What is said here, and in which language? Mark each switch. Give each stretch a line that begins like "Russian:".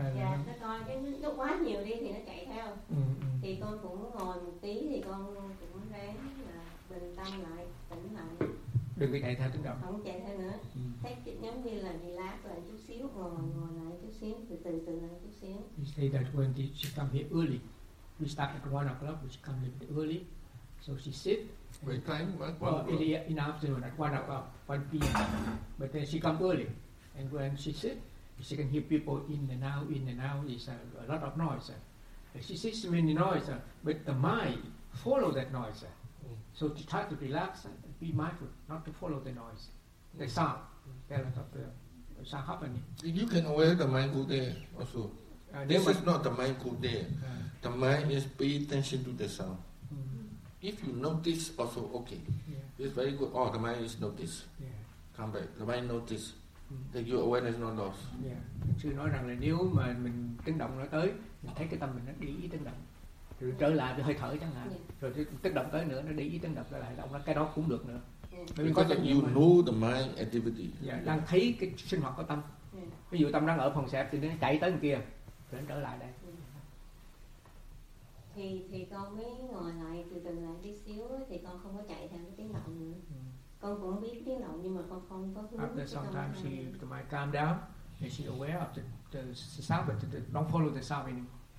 Vietnamese: Dạ, nó coi cái nó quá nhiều đi thì nó chạy theo. Thì con cũng ngồi một tí thì con cũng ráng là bình tâm lại, tỉnh lại. Đừng có chạy theo tiếng động. Không chạy theo nữa. Thấy giống như là đi lát lại chút xíu, ngồi lại chút xíu, từ lại chút xíu.
English: You say that when she come here early. We start at 1 o'clock, which comes a little bit early. So she sit. What time? Well, in the afternoon at 1 o'clock, 1 p.m. But then she come early, and when she sit, she can hear people in and out. It's a lot of noise. She sees so many noise, but the mind follow that noise. So she try to relax and be mindful, not to follow the noise, the sound. The sound happening. You can aware the mind go there also. This is not the mind go there. The mind is pay attention to the sound. If you notice also, okay. It's very good. Oh, the mind is noticed. Come back. The mind notice that your awareness is not lost. Yeah.
Vietnamese: Sư nói rằng là nếu mà mình tiếng động nó tới, mình thấy cái tâm mình nó đi ý tiếng động. Rồi trở lại thì hơi thở chẳng hạn. Rồi tiếng động tới nữa, nó đi ý tiếng động trở lại. Động nó cái đó cũng được nữa.
English: Because you know the mind activity.
Vietnamese: Yeah, đang thấy cái sinh hoạt của tâm. Ví dụ tâm đang ở phòng xẹp thì nó chạy tới bên kia. Trở lại đây. Thì con mới ngồi lại từ từ lại đi xíu ấy, thì con không có chạy theo cái tiếng động nữa. Con cũng biết tiếng động nhưng mà con không có hướng.
English: After some time she might calm down and she aware of the sound but don't follow the sound anymore.